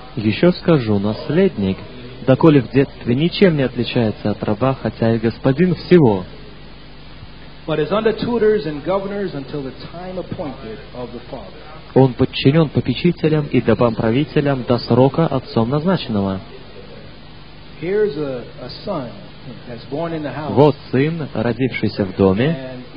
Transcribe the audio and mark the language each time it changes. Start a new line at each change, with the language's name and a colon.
Russian: Еще скажу, наследник, доколе в детстве ничем не отличается от раба, хотя и господин всего.
English: but is under tutors and governors until the time appointed of the Father.
Russian: Он подчинен попечителям и домам правителям до срока отцом назначенного.
English: Here's a son that's born in the house.
Russian: Вот сын, родившийся в доме.